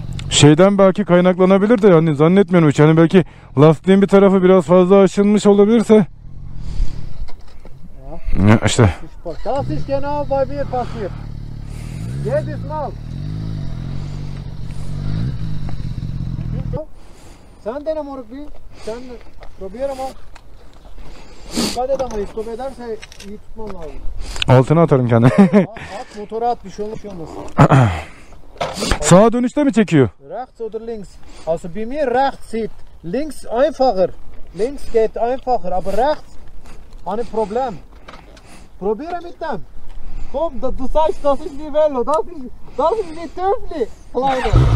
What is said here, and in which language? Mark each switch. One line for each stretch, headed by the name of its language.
Turkish: Şeyden belki kaynaklanabilir de yani zannetmiyorum hiç. Yani belki lastiğin bir tarafı biraz fazla aşınmış olabilirse. Ya işte.
German: Das ist genau bei mir passiert. Jedes Mal!
Turkish: Sen dene moruk bir, sen de probier ama dikkat et ama istop ederse iyi tutman lazım. Altına atarım kendimi. At, motora at, bir şey olmaz. Şey olmaz. Sağa dönüşte mi çekiyor?
German: Rechts oder links. Also bei mir rechts sieht. Links einfacher. Links geht einfacher, aber rechts hani problem. Probiere mit dem. Komm, da, du sagst, das ist wie Velo, das ist wie Töpfli, Kleine.